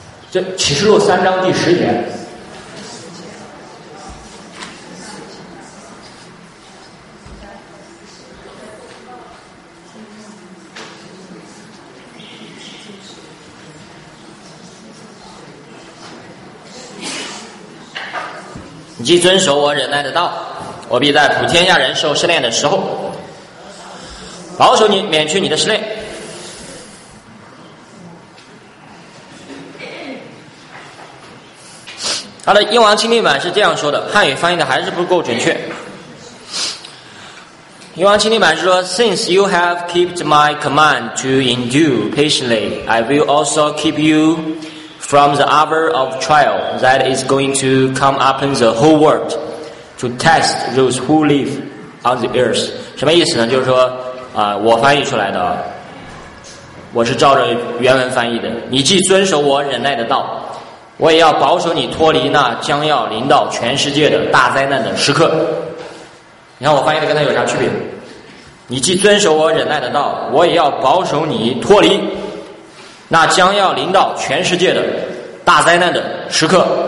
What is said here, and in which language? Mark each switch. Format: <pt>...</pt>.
<zh>这启示录三章第十节，既遵守我忍耐的道，我必在普天下人受试炼的时候保守你，免去你的试炼。他的英王钦定版是这样说的，汉语翻译的还是不够准确。英王钦定版是说，</zh> <en>Since you have kept my command to endure patiently, I will also keep youFrom the hour of trial that is going to come upon the whole world to test those who live on the earth.</en> <zh>什么意思呢？就是说我翻译出来的，我是照着原文翻译的。你既遵守我忍耐的道，我也要保守你脱离那将要临到全世界的大灾难的时刻。你看我翻译的跟他有啥区别？你既遵守我忍耐的道，我也要保守你脱离那将要临到全世界的大灾难的时刻。</zh>